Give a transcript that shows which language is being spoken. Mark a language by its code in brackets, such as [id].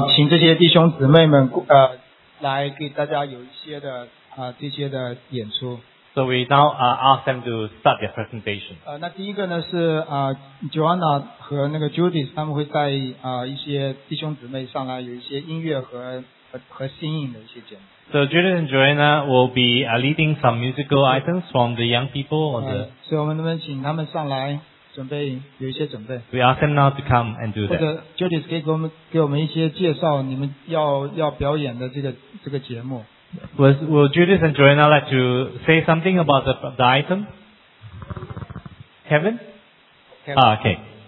[zh] 请这些弟兄姊妹们来给大家有一些的这些的演出。 [en] So we now ask them to start their presentation. [zh] 那第一个呢是Joanna 和那个 Judith 他们会带一些弟兄姊妹上来有一些音乐和新颖的一些节目。 [en] So Judith and Joanna will be leading some musical items from the young people on the. [zh] 所以我们能不能请他们上来准备有一些准备 [en] ？We ask them now to come and do that. [zh] 或者 Judith 可以给我们一些介绍你们要表演的这个节目。 [en] Will Judith and Joanna like to say something about the item? Heaven? Heaven. Okay.